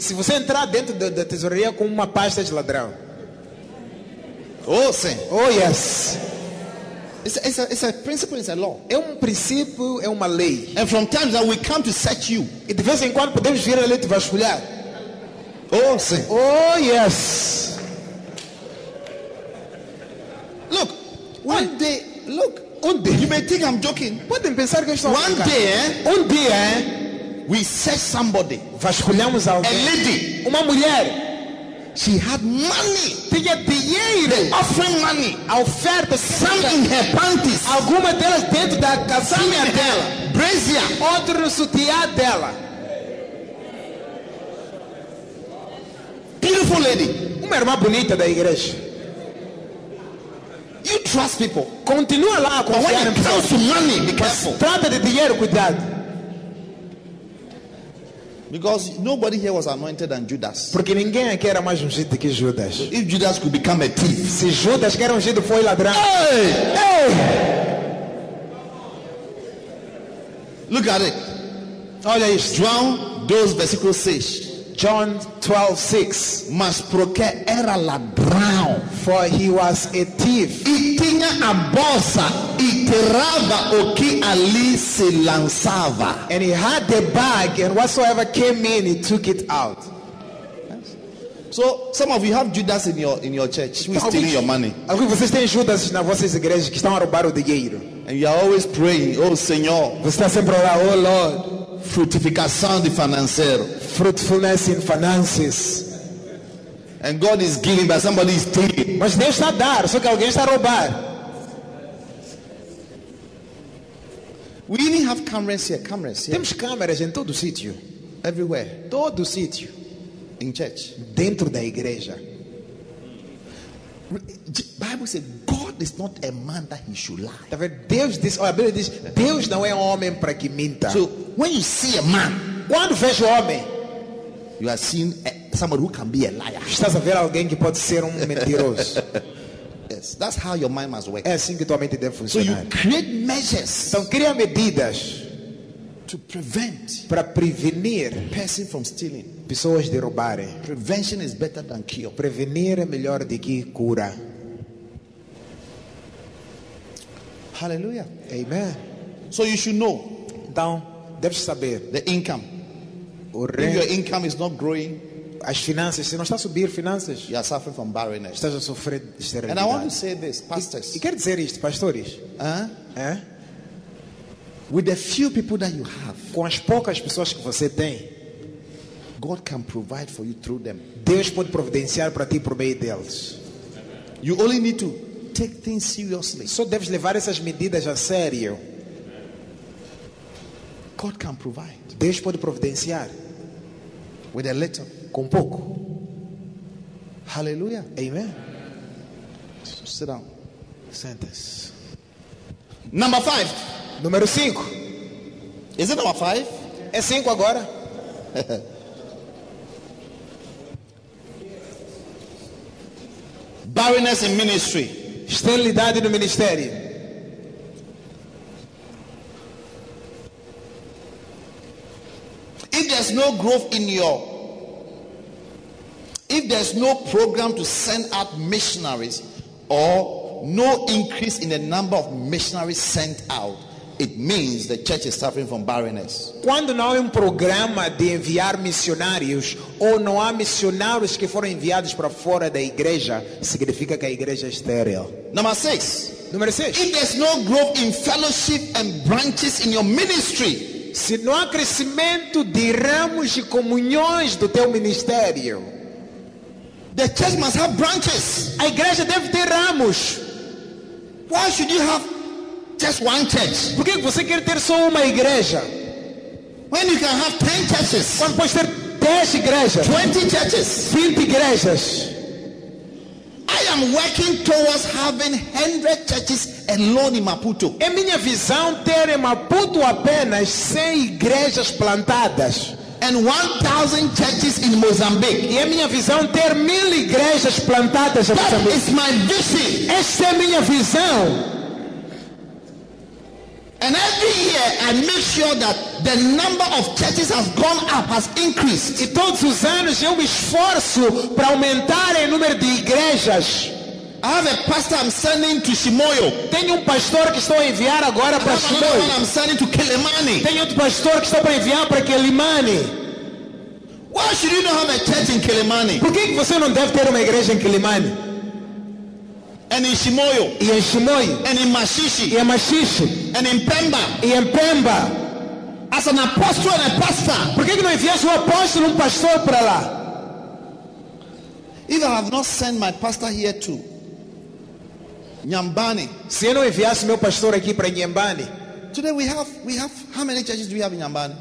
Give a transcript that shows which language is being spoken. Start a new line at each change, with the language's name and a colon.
Portuguese: Se você entrar dentro da tesouraria com uma pasta de ladrão. Oh, sim.
English: Oh, yes. It's a principle, it's a law.
Portuguese: É um princípio, é uma lei.
English: And from time that we come to search you.
Portuguese: E de vez em quando podemos vir ali te vasculhar. Oh, sim.
English: Oh, yes. Look, one day, look.
Portuguese: Um dia.
English: You may think I'm joking.
Portuguese: Podem pensar que eu estou a brincar.
English: One day, we search somebody.
Portuguese: Vasculhamos alguém.
English: A lady.
Portuguese: Uma mulher.
English: She had money.
Portuguese: Tinha dinheiro.
English: The offering money.
Portuguese: A oferta.
English: Some in her panties.
Portuguese: Alguma delas dentro da casaca dela.
English: Brazier.
Portuguese: Outro no sutiã dela.
English: Beautiful lady.
Portuguese: Uma irmã bonita da igreja.
English: You trust people.
Portuguese: Continua lá a confiar em pessoas.
English: But when it comes to money, be careful.
Portuguese: Trata de dinheiro, cuidado.
English: Because nobody here was anointed than Judas.
Portuguese: Porque ninguém aqui era mais ungido que Judas.
English: If Judas could become a thief.
Portuguese: Se Judas que era ungido foi ladrão.
English: Hey! Hey! Look at it.
Portuguese: Olha isso. João 12, versículo 6.
English: John 12, 6.
Portuguese: Mas porque era ladrão.
English: For he was a thief.
Portuguese: E tinha a bolsa. E tirava o que ali se lançava.
English: And he had the bag, and whatsoever came in, he took it out. Yes. So, some of you have Judas in your church who is stealing your money.
Portuguese: Alguns de vocês têm Judas na vossa igreja que estão a roubar o dinheiro.
English: And you are always praying, oh Senhor.
Portuguese: Você está sempre a orar, oh Lord. Frutificação de financeiro.
English: Fruitfulness in finances. And God is giving, but somebody is taking.
Portuguese: Mas Deus está a dar, só que alguém está a roubar.
English: We even have cameras here, cameras here.
Portuguese: Temos câmeras em todo o sítio.
English: Everywhere.
Portuguese: Todo o sítio.
English: In church.
Portuguese: Dentro da igreja.
English: Bible says God is not a man that he should lie.
Portuguese: Tá vendo? A Bíblia diz, Deus não é homem para que minta.
English: So, when you see a man,
Portuguese: quando vejo homem,
English: you are seeing somebody who can be a liar.
Portuguese: Estás a ver alguém que pode ser mentiroso.
English: A others. That's how your mind must work.
Portuguese: É assim que tua mente deve funcionar.
English: So you create measures.
Portuguese: Então cria medidas
English: to prevent.
Portuguese: Para prevenir
English: person from stealing.
Portuguese: Pessoas de roubarem.
English: Prevention is better than cure.
Portuguese: Prevenir é melhor do que cura.
English: Hallelujah. Amen. So you should know.
Portuguese: Então, deve saber
English: the income.
Portuguese: O
English: if your income is not growing,
Portuguese: as finanças, se não está a subir finanças,
English: you are suffering from barrenness.
Portuguese: Estás a sofrer de esterilidade.
English: And I want to say this, pastors.
Portuguese: E quer dizer isto, pastores?
English: With the few people that you have,
Portuguese: com as poucas pessoas que você tem,
English: God can provide for you through them.
Portuguese: Deus pode providenciar para ti por meio deles.
English: You only need to take things seriously.
Portuguese: Só deves levar essas medidas a sério.
English: God can provide.
Portuguese: Deus pode providenciar.
English: With a little.
Portuguese: Com pouco.
English: Hallelujah. Amen. So sit down.
Portuguese: Sentes.
English: Number five.
Portuguese: Número 5.
English: Is it number 5?
Portuguese: É 5 agora.
English: Barrenness in ministry.
Portuguese: Esterilidade no ministério.
English: If there's no growth in your, if there's no program to send out missionaries or no increase in the number of missionaries sent out, it means the church is suffering from barrenness.
Portuguese: Quando não há programa de enviar missionários ou não há missionários que foram enviados para fora da igreja, significa que a igreja é estéril.
English: Number 6.
Portuguese: Número 6.
English: If there's no growth in fellowship and branches in your ministry,
Portuguese: se não há crescimento de ramos e comunhões do teu ministério,
English: the church must have branches.
Portuguese: A igreja deve ter ramos.
English: Why should you have just one church?
Portuguese: Por que você quer ter só uma igreja?
English: When you can have 10 churches.
Portuguese: Quando pode ter 10 igrejas.
English: 20 churches.
Portuguese: 20 igrejas.
English: I am working towards having 100 churches alone in Maputo.
Portuguese: É minha visão ter em Maputo apenas 100 igrejas plantadas.
English: And 1,000 churches in Mozambique.
Portuguese: E é minha visão ter 1,000 igrejas plantadas em Moçambique.
English: That is my vision.
Portuguese: Essa é minha visão.
English: And every year I make sure that the number of churches has gone up, has increased.
Portuguese: E todos os anos eu me esforço para aumentar o número de igrejas.
English: I have a pastor I'm sending to Shimoyo.
Portuguese: Tenho pastor que estou a enviar agora para Shimoyo.
English: I'm sending to Kilimani.
Portuguese: Tenho outro pastor que estou para enviar para Kilimani.
English: Why should you not have a church in Kilimani?
Portuguese: Por que você não deve ter uma igreja em Kilimani?
English: And in Shimoyo.
Portuguese: E em Shimoyo.
English: And in Mashishi.
Portuguese: E em Mashishi.
English: And in Pemba.
Portuguese: E em Pemba.
English: As an apostle and a pastor.
Portuguese: Por que não envias um apóstolo e um pastor para lá?
English: If I have not sent my pastor here too. Nyambani.
Portuguese: Se eu não enviasse meu pastor aqui para Nyambani.
English: Today we have how many churches do we have in Nyambani?